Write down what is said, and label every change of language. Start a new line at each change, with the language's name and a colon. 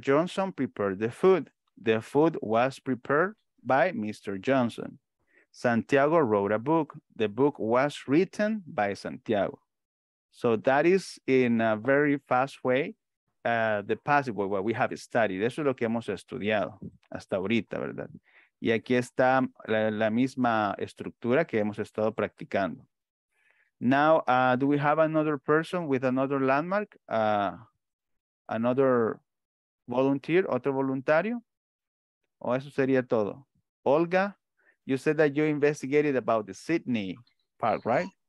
English: Johnson prepared the food. The food was prepared by Mr. Johnson. Santiago wrote a book. The book was written by Santiago. So that is, in a very fast way, the passive voice, what we have studied.
Spanish: Eso es lo que hemos estudiado hasta ahorita, ¿verdad? Y aquí está la misma estructura que hemos estado practicando.
English: Now, do we have another person with another landmark? Another volunteer,
Spanish: otro voluntario? O eso sería todo.
English: Olga, you said that you investigated about the Sydney Park, right?